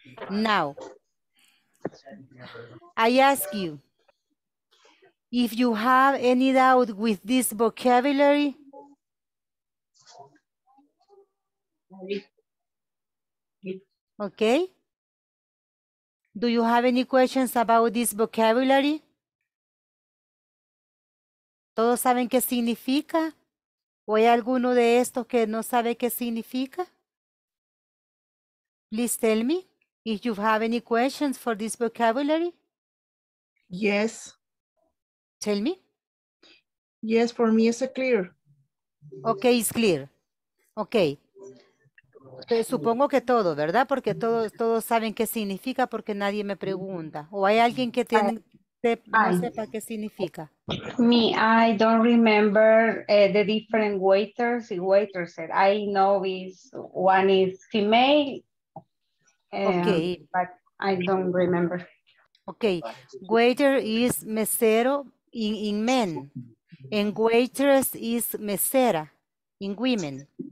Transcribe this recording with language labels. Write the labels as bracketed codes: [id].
[en] Now, I ask you, if you have any doubt with this vocabulary, okay? Do you have any questions about this vocabulary? [es] ¿Todos saben qué significa? ¿O hay alguno de estos que no sabe qué significa? [en] Please tell me if you have any questions for this vocabulary. Yes. Tell me. Yes, for me it's clear. Okay, it's clear. Okay. [es] Entonces, supongo que todo, ¿verdad? Porque todos saben qué significa porque nadie me pregunta. ¿O hay alguien que tiene... sepa qué significa? [en] Me, I don't remember the different waiters and waitresses. I know is one is female, okay. But I don't remember. Okay, waiter is mesero in men, and waitress is mesera in women.